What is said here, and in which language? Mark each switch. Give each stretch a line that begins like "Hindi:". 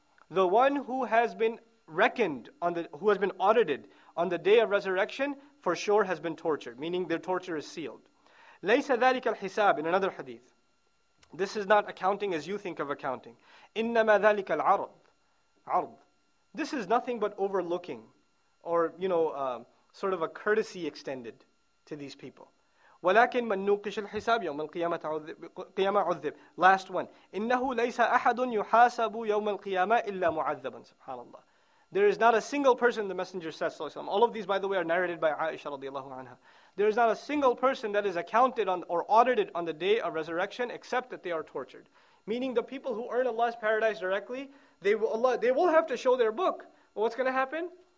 English: The one who has been reckoned, who has been audited on the day of resurrection, for sure has been tortured, meaning their torture is sealed.
Arabic: لَيْسَ ذَلِكَ الْحِسَابِ.
English: In another hadith. This is not accounting as you think of accounting.
Arabic: إِنَّمَا ذَلِكَ الْعَرْضِ. عَرْضِ.
English: This is nothing but overlooking, or, you know, sort of a courtesy extended to these people.
Arabic: ولكن من نوقش الحساب يوم القيامة قيامة عذب.
English: Last one.
Arabic: إنه ليس أحد يحاسب يوم القيامة إلا معذبا. سبحان الله.
English: There is not a single person, the Messenger says, sallallahu alaihi wasallam. All of these, by the way, are narrated by Aisha radiallahu anha. There is not a single person that is accounted on or audited on the day of resurrection except that they are tortured. Meaning the people who earn Allah's paradise directly, they will have to show their book. But what's going to happen?